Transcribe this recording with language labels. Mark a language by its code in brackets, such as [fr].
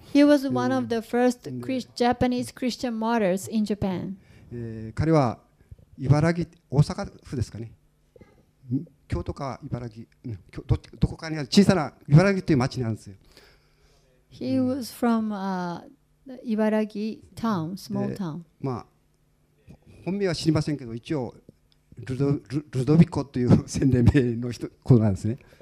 [en] He was one of the first Japanese Christian martyrs in Japan. [ja] 彼は茨城、大阪府ですかね。京都か茨城、どこかにある小さな茨城という町なんですよ。 [en] He was from a 茨城 town, small town. [ja] まあ本名は知りませんけど、一応ルドビコという洗礼名の人ことなんですね。